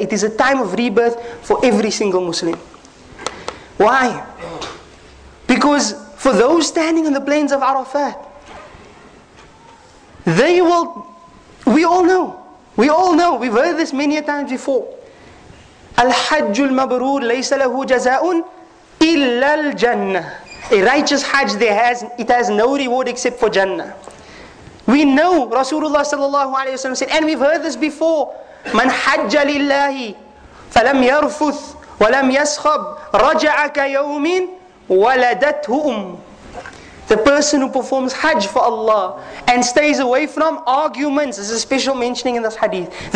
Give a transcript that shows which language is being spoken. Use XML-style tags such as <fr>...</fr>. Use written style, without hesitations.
<en>It is a time of rebirth for every single Muslim. Why? Because for those standing on the plains of Arafat, they will, we all know, we've heard this many a times before.</en> <ar>الحج المبرور ليس له جزاء إلا الجنة.</ar> <en>A righteous Hajj, it has no reward except for Jannah. We know Rasulullah sallallahu alayhi wa sallam said, and we've heard this before.</en> <ar>من حج لله فلم يرفث ولم يسخب رجع كيوم ولدته أمه.</ar> <en>The person who performs Hajj for Allah and stays away from arguments. This is a special mentioning in this hadith.</en>